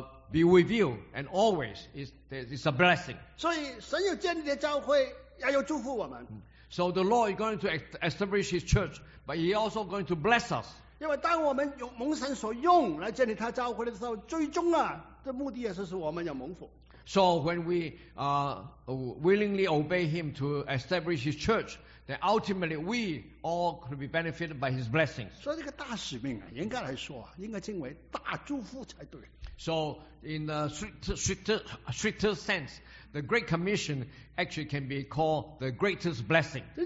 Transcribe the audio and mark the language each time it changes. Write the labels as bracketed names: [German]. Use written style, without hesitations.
[English] Be with you and always is a blessing. So the Lord is going to establish His church, but He also going to bless us. [Chinese] 因为当我们蒙神所用来建立他教会的时候，最终啊，这目的也是使我们有蒙福。 [English] So when we willingly obey Him to establish His church, then ultimately we all could be benefited by His blessings. [Chinese] 所以这个大使命啊，应该来说啊，应该称为大祝福才对。 [English] So in the stricter sense, the Great Commission actually can be called the greatest blessing.